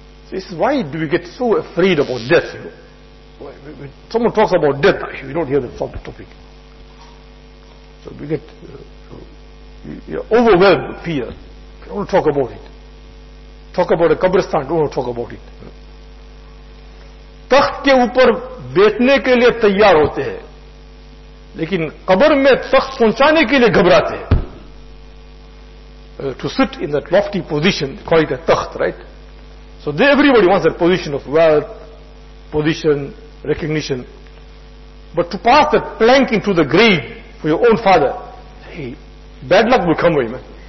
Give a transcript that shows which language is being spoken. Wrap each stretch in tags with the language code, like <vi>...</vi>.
<en>So he says, why do we get so afraid about death? You know? When someone talks about death, we don't hear the topic. So we get overwhelmed with fear. We don't talk about it. Talk about a kabristan, don't talk about it.</en> <ur>تخت کے اوپر بیٹھنے کے لیے تیار ہوتے ہیں لیکن قبر میں تخت پہنچانے کے لیے گھبراتے ہیں.</ur> <en>To sit in that lofty position, call it a تخت, right? So they, everybody wants that position of wealth, position, recognition. But to pass that plank into the grave for your own father, hey, bad luck will come, man.</en>